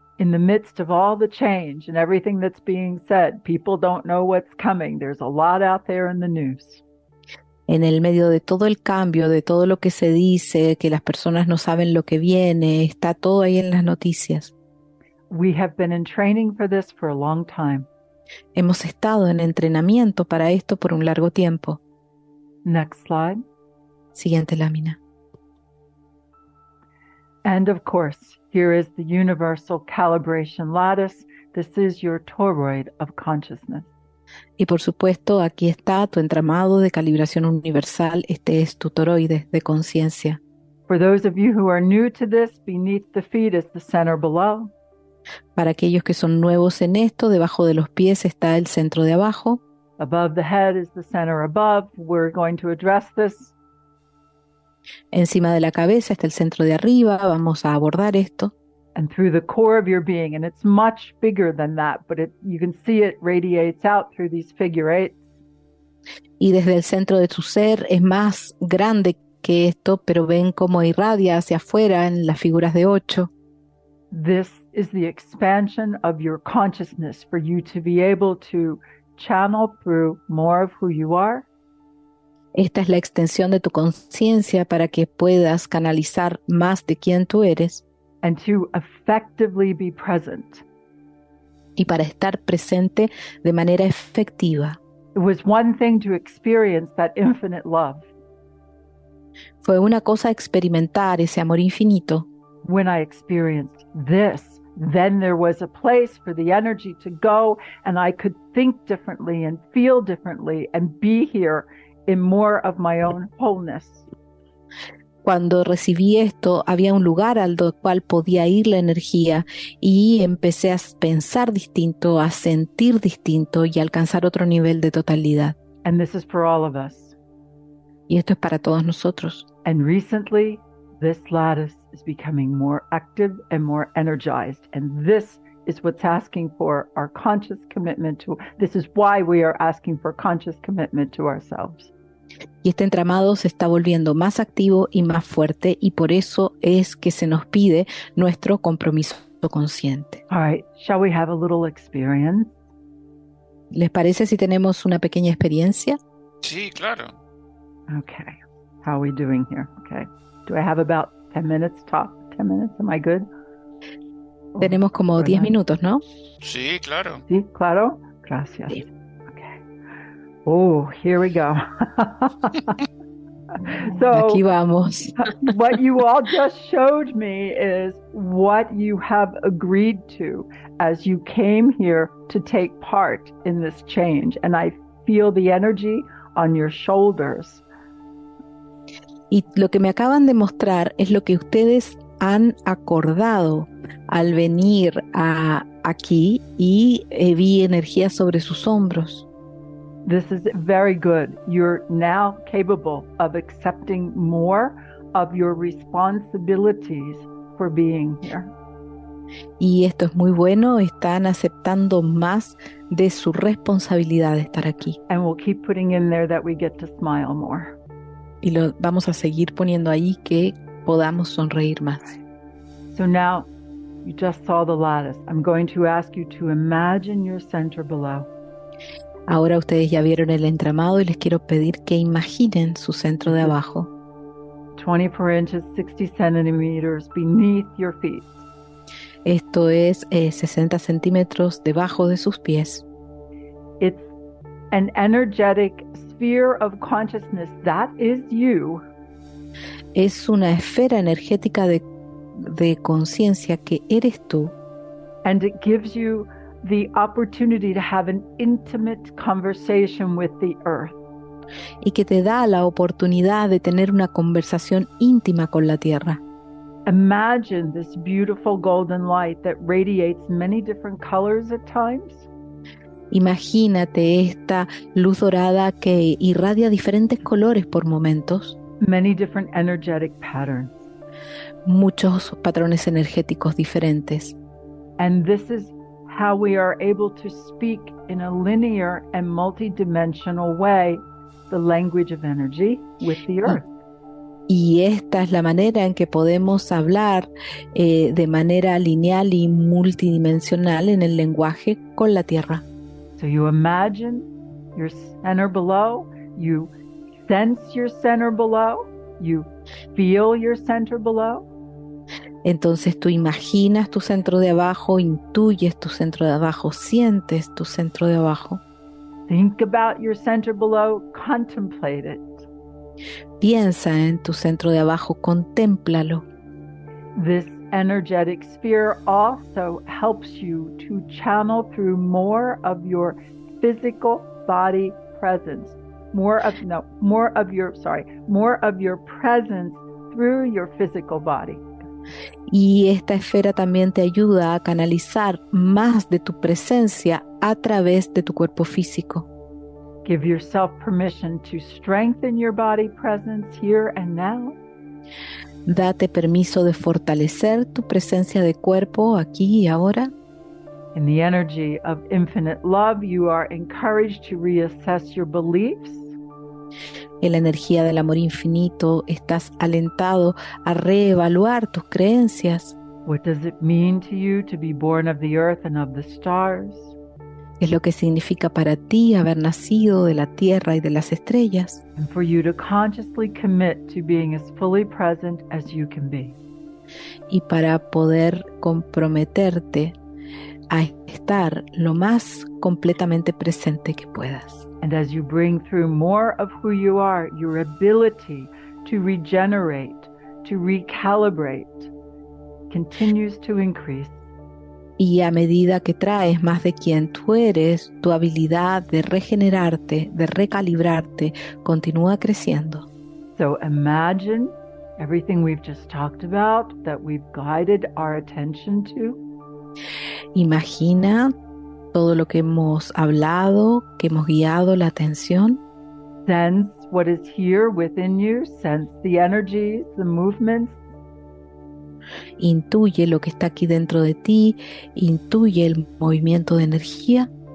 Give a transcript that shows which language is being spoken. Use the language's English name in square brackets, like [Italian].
[English] In the midst of all the change and everything that's being said, people don't know what's coming. There's a lot out there in the news. [Spanish] En el medio de todo el cambio, de todo lo que se dice, que las personas no saben lo que viene, está todo ahí en las noticias. [English] We have been in training for this for a long time. [Spanish] Hemos estado en entrenamiento para esto por un largo tiempo. [English] Next slide. [Spanish] Siguiente lámina. [English] And of course, here is the universal calibration lattice. This is your toroid of consciousness. [Spanish] Y por supuesto, aquí está tu entramado de calibración universal, este es tu toroide de conciencia. [English] For those of you who are new to this, beneath the feet is the center below. [Spanish] Para aquellos que son nuevos en esto, debajo de los pies está el centro de abajo. [English] Above the head is the center above. We're going to address this. [Spanish] Encima de la cabeza está el centro de arriba, vamos a abordar esto. [English] And through the core of your being, and it's much bigger than that, but you can see it radiates out through these figure eights. [Spanish] Y desde el centro de tu ser es más grande que esto, pero ven cómo irradia hacia afuera en las figuras de ocho. [English] This is the expansion of your consciousness for you to be able to channel through more of who you are. [Spanish] Esta es la extensión de tu conciencia para que puedas canalizar más de quién tú eres. [English] And to effectively be present. [Spanish] Y para estar presente de manera efectiva. [English] It was one thing to experience that infinite love. [Spanish] Fue una cosa experimentar ese amor infinito. [English] When I experienced this, then there was a place for the energy to go, and I could think differently and feel differently and be here in more of my own wholeness. [Spanish] Cuando recibí esto, había un lugar al cual podía ir la energía y empecé a pensar distinto, a sentir distinto y alcanzar otro nivel de totalidad. [English] And this is for all of us. [Spanish] Y esto es para todos nosotros. [English] And recently, this lattice is becoming more active and more energized. And this is what's asking for our conscious commitment to, this is why we are asking for conscious commitment to ourselves. [Spanish] Y este entramado se está volviendo más activo y más fuerte, y por eso es que se nos pide nuestro compromiso consciente. [English] All right, shall we have a little experience? [Spanish] ¿Les parece si tenemos una pequeña experiencia? Sí, claro. [English] Okay, how are we doing here? Okay, do I have about 10 minutes top? 10 minutes, am I good? [Spanish] Tenemos como 10 minutos, ¿no? Sí, claro. Sí, claro. Gracias. Sí. [English] Oh, here we go. [Spanish] So, aquí vamos. [English] What you all just showed me is what you have agreed to as you came here to take part in this change. And I feel the energy on your shoulders. [Spanish] Y lo que me acaban de mostrar es lo que ustedes han acordado al venir a aquí y vi energía sobre sus hombros. [English] This is very good. You're now capable of accepting more of your responsibilities for being here. [Spanish] Y esto es muy bueno. Están aceptando más de su responsabilidad de estar aquí. [English] And we'll keep putting in there that we get to smile more. [Spanish] Y lo vamos a seguir poniendo ahí que podamos sonreír más. [English] So now you just saw the lattice. I'm going to ask you to imagine your center below. [Spanish] Ahora ustedes ya vieron el entramado y les quiero pedir que imaginen su centro de abajo. [English] 24 inches, 60 centimeters beneath your feet. [Spanish] Esto es 60 centímetros debajo de sus pies. [English] It's an energetic sphere of consciousness. That is you. [Spanish] Es una esfera energética de conciencia que eres tú. [English] And it gives you the opportunity to have an intimate conversation with the earth. [Spanish] Y que te da la oportunidad de tener una conversación íntima con la tierra. [English] Imagine this beautiful golden light that radiates many different colors at times. [Spanish] Imagínate esta luz dorada que irradia diferentes colores por momentos. [English] Many different energetic patterns. [Spanish] Muchos patrones energéticos diferentes. [English] And this is how we are able to speak in a linear and multidimensional way the language of energy with the earth. [Spanish] Y esta es la manera en que podemos hablar de manera lineal y multidimensional en el lenguaje con la tierra. [English] So you imagine your center below, you sense your center below, you feel your center below. [Spanish] Entonces tú imaginas tu centro de abajo, intuyes tu centro de abajo, sientes tu centro de abajo. [English] Think about your center below, contemplate it. [Spanish] Piensa en tu centro de abajo, contémplalo. [English] This energetic sphere also helps you to channel through more of your physical body presence. More of your presence through your physical body. [Spanish] Y esta esfera también te ayuda a canalizar más de tu presencia a través de tu cuerpo físico. [English] Give yourself permission to strengthen your body presence here and now. [Spanish] Date permiso de fortalecer tu presencia de cuerpo aquí y ahora. [English] In the energy of infinite love, you are encouraged to reassess your beliefs. [Spanish] En la energía del amor infinito estás alentado a reevaluar tus creencias. [English] What does it mean to you to be born of the earth and of the stars? [Spanish] Es lo que significa para ti haber nacido de la tierra y de las estrellas. [English] And for you to consciously commit to being as fully present as you can be. [Spanish] Y para poder comprometerte a estar lo más completamente presente que puedas. [English] And as you bring through more of who you are, your ability to regenerate, to recalibrate, continues to increase. [Spanish] Y a medida que traes más de quien tú eres, tu habilidad de regenerarte, de recalibrarte, continúa creciendo. [English] So imagine everything we've just talked about that we've guided our attention to. [Spanish] Imagina todo lo que hemos hablado, que hemos guiado la atención. [English] Sense what is here within you, sense the energies, the movements. [Spanish] Intuye lo que está aquí dentro de ti, intuye el movimiento de energía.